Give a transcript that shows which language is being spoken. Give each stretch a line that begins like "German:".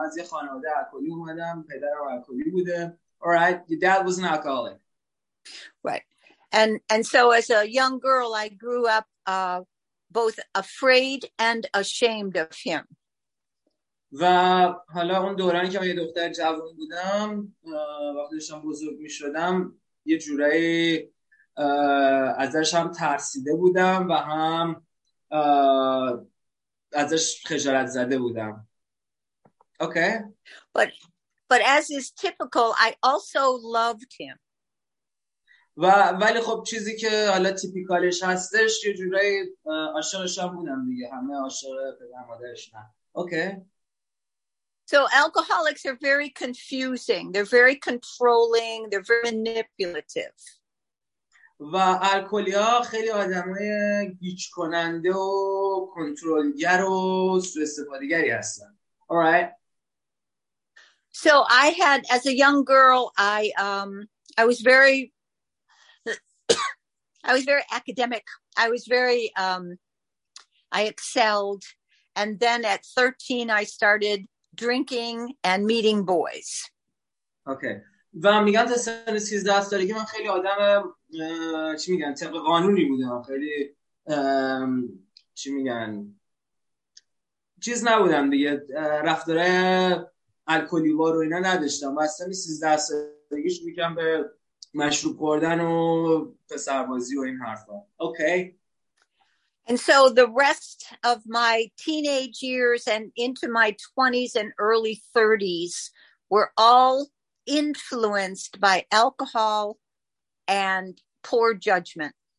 Persian: من از یه خانواده الکلی اومدم، پدرم الکلی بوده.
English: All right, your dad was an alcoholic. Right. And so as a young girl I grew up both afraid and ashamed of him.
Persian: و حالا اون دورانی که من یه دختر جوان بودم وقتی داشتم بزرگ می شدم یه جورایی ازش هم ترسیده بودم و هم ازش خجالت زده بودم.
English: Okay. But as is typical, I also loved him.
Persian: و ولی خب چیزی که حالا تیپیکالش هستش یه جورایی عاشقش هم بودم دیگه، همه عاشق پدر مادرش نه.
English: Okay. So alcoholics are very confusing. They're very controlling. They're very manipulative.
Persian: و الکلی‌ها خیلی آدم‌های گیج کننده و کنترلگر و سوء استفاده‌گری هستن.
English: All right. So I had, as a young girl, I was very I was very academic. I was very I excelled, and then at 13 I started drinking and meeting boys. Okay.
Persian: و میگن تا سن 13 سالگی من خیلی آدم چی میگن طبق قانونی بودم، خیلی چی میگن چیز نبودم دیگه، رفتار الکلی وار رو اینا نداشتم. از سن 13 سالگی شروع کردم به مشروب خوردن و پسربازی و این حرفا.
English: Okay. And so the rest of my teenage years and into my 20s and early 30s were all influenced by alcohol and poor judgment.